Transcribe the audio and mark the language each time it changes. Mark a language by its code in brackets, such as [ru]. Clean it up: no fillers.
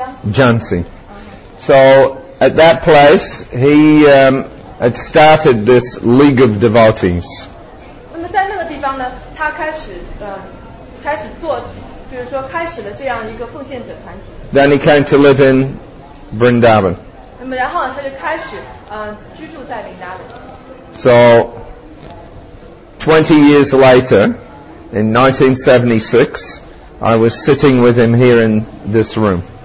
[en] Jhansi. So, at that place, he had started this League of Devotees. [zh] 那么在那个地方呢，他开始做，就是说开始了这样一个奉献者团体。 [en] Then he came to live in Vrindavan. [zh] 那么然后呢，他就开始居住在Vrindavan. [en] So, 20 years later, in 1976, I was sitting with him here in this room.